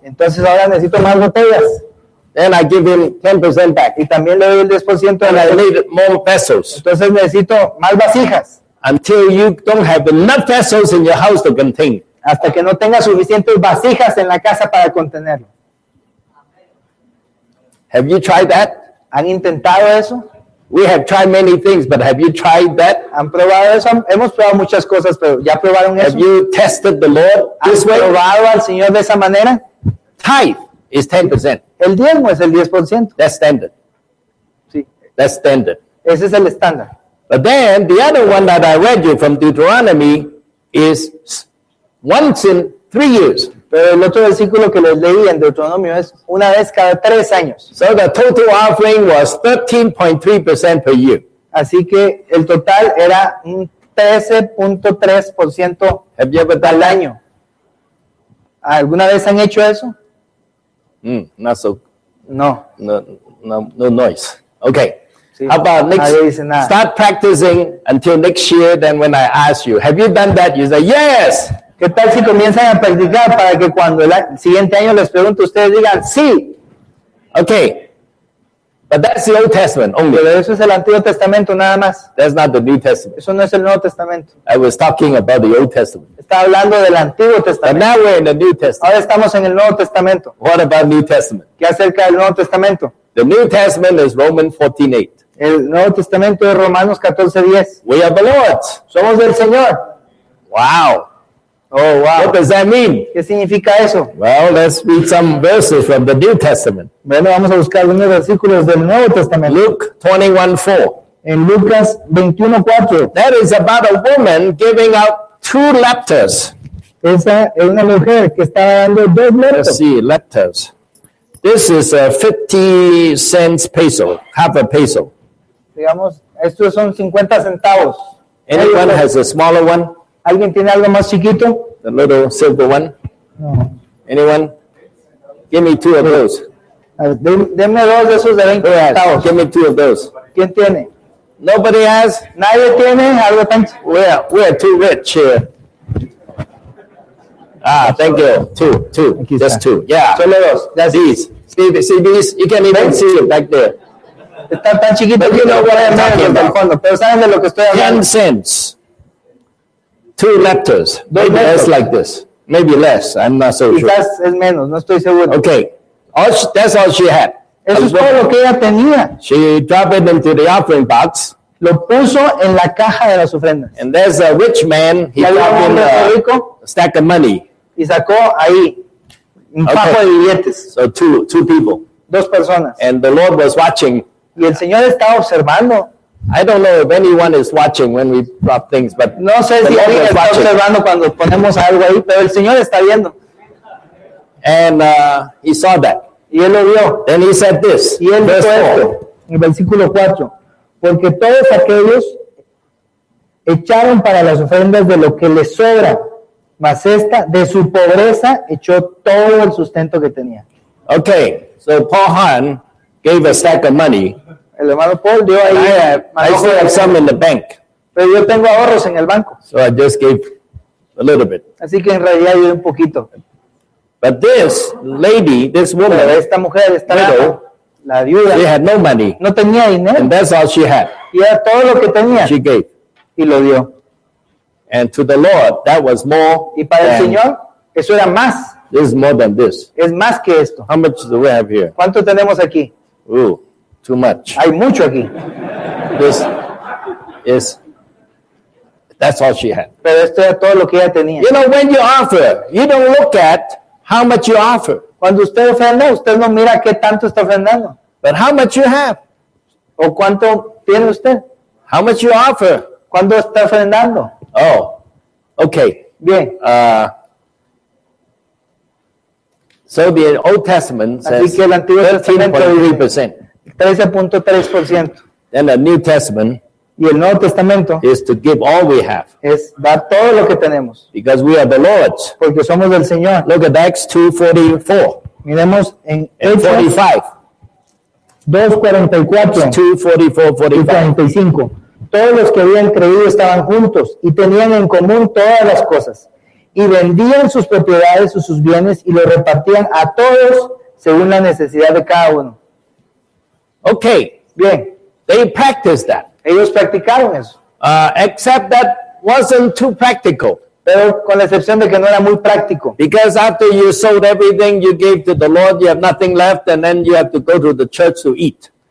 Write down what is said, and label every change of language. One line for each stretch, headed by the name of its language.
Spanish: Entonces ahora necesito más botellas.
English: Then I give him 10% back.
Spanish: Y también le doy el 10%
English: and I need more vessels.
Spanish: Entonces necesito más vasijas.
English: Until you don't have enough vessels in your house to contain.
Spanish: Hasta que no tenga suficientes vasijas en la casa para contenerlo.
English: Have you tried that?
Spanish: ¿Han intentado eso?
English: We have tried many things, but have you tried that?
Spanish: ¿Han probado eso? Hemos probado muchas cosas, pero ¿ya probaron eso?
English: Have you tested the Lord this way?
Spanish: ¿Han probado al Señor de esa manera?
English: Tithe is 10%.
Spanish: El diezmo es el
English: 10%. That's standard.
Spanish: Sí.
English: That's standard.
Spanish: Ese es el estándar.
English: But then, the other one that I read you from Deuteronomy is once in 3 years.
Spanish: Pero el otro versículo que les leí en Deuteronomio es una vez cada 3 años.
English: So the total offering was 13.3% per year.
Spanish: Así que el total era un 13.3% al año. ¿Alguna vez han hecho eso?
English: Not so.
Spanish: No.
English: No noise. Okay.
Spanish: Sí,
English: how about next? Start practicing until next year. Then when I ask you, have you done that? You say yes.
Spanish: ¿Qué tal si comienzan a practicar para que cuando el siguiente año les pregunto ustedes digan sí?
English: Okay. But that's the Old Testament only.
Spanish: Pero eso es el Antiguo Testamento nada más.
English: That's not the New Testament.
Spanish: Eso no es el Nuevo Testamento.
English: I was talking about the Old Testament.
Spanish: Estaba hablando del Antiguo Testamento.
English: But now we're in the New Testament.
Spanish: Ahora estamos en el Nuevo Testamento.
English: What about New Testament?
Spanish: ¿Qué acerca del Nuevo Testamento?
English: The New Testament is Romans 14:8.
Spanish: El Nuevo Testamento es Romanos 14:10.
English: We are the Lord's.
Spanish: Somos del Señor.
English: Wow. Oh, wow. What does that mean?
Spanish: ¿Qué significa eso?
English: Well, let's read some verses from the New Testament.
Spanish: Bueno, vamos a buscar algunos versículos del Nuevo Testamento.
English: Luke 21:4.
Spanish: En Lucas 21:4.
English: That is about a woman giving out 2 lepers.
Spanish: Esa es una mujer que está dando 2 lepers.
English: Sí, lepers. This is a 50 cents peso, half a peso.
Spanish: Digamos, estos son 50 centavos.
English: Anyone has a smaller one?
Spanish: ¿Alguien tiene algo más chiquito?
English: The little silver one?
Spanish: No.
English: Anyone? Give me two of those.
Spanish: Deme dos de esos de 20 centavos.
English: Give me two of those.
Spanish: ¿Quién tiene?
English: Nobody has.
Spanish: Nadie tiene algo tan chiquito.
English: We are too rich here. Ah, thank you. Two. Just two. Yeah.
Spanish: Solo dos.
English: That's these. See these? You can't even see it back there.
Spanish: Están tan chiquitos.
English: But you know what I'm talking about.
Spanish: Fondo, pero saben de lo que estoy hablando.
English: 10 cents. Two letters. Maybe less like this. Maybe less. I'm not so
Spanish: quizás
English: sure.
Spanish: Quizás es menos. No estoy seguro.
English: Okay. That's all she had.
Spanish: Eso es todo lo que ella tenía.
English: She dropped it into the offering box.
Spanish: Lo puso en la caja de las ofrendas.
English: And there's a rich man. He dropped in a stack of money.
Spanish: Y sacó ahí un fajo de billetes.
English: So two people.
Spanish: Dos personas.
English: And the Lord was watching.
Spanish: Y el Señor estaba observando.
English: I don't know if anyone is watching when we drop things, but
Spanish: no sé si alguien está watching. Observando cuando ponemos algo ahí, pero el Señor está viendo.
English: And he saw that.
Spanish: Y él lo vio.
English: Then he said this.
Spanish: Y él dijo esto, en el versículo 4. Porque todos aquellos echaron para las ofrendas de lo que les sobra, mas esta de su pobreza echó todo el sustento que tenía.
English: Okay, so Paul Hahn gave a stack of money.
Spanish: El hermano Paul dio ahí.
English: I still have some in the bank.
Spanish: Pero yo tengo ahorros en el banco.
English: So I just gave a little bit.
Spanish: Así que en realidad dio un poquito.
English: But this lady, this woman,
Spanish: pero esta mujer, esta
English: widow,
Spanish: la viuda,
English: she had no money.
Spanish: No tenía dinero.
English: And that's all she had.
Spanish: Y era todo lo que tenía.
English: She gave.
Spanish: Y lo dio.
English: And to the Lord, that was more.
Spanish: Y para el Señor, eso era más.
English: This is more than this.
Spanish: Es más que esto.
English: How much do we have here?
Spanish: ¿Cuánto tenemos aquí?
English: Ooh, too much.
Spanish: Hay mucho aquí.
English: This is, that's all she had.
Spanish: Pero esto era todo lo que ella tenía.
English: You know, when you offer, you don't look at how much you offer.
Spanish: Cuando usted ofrenda, usted no mira qué tanto está ofrendando.
English: But how much you have?
Spanish: ¿O cuánto tiene usted?
English: How much you offer?
Spanish: ¿Cuándo está ofrendando?
English: Oh, okay.
Spanish: Bien.
English: So the Old Testament says 13.3%. 13.3%. Then the New Testament.
Spanish: Y el Nuevo Testamento.
English: Is to give all we have.
Spanish: Es dar todo lo que tenemos.
English: Because we are the Lord's.
Spanish: Porque somos del Señor.
English: Look at Acts 2:44.
Spanish: Miremos en Hechos 2:44, 2:44, 2:45. Todos los que habían creído estaban juntos y tenían en común todas las cosas. Y vendían sus propiedades o sus bienes y los repartían a todos según la necesidad de cada uno.
English: Okay.
Spanish: Bien.
English: They practiced that.
Spanish: Ellos practicaron eso.
English: Except that wasn't too practical.
Spanish: Pero con la excepción de que no era muy práctico.
English: Because after you sold everything you gave to the Lord, you have nothing left and then you have to go to the church to eat.